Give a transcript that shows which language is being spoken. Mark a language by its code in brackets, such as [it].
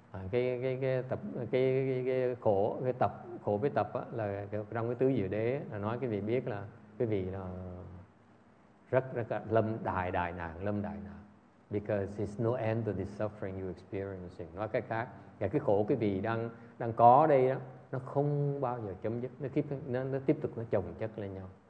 [vi] Cái khổ với tập á, là trong cái tứ diệu đế là nói cái vị biết là cái vị là rất rất lâm đại nạn, lâm đại nạn. [en] Because it's no end to the suffering you're experiencing. [vi] Nói cách khác, cái khổ cái vị đang có đây đó, nó không bao giờ chấm dứt, nó tiếp tục nó chồng chất lên nhau.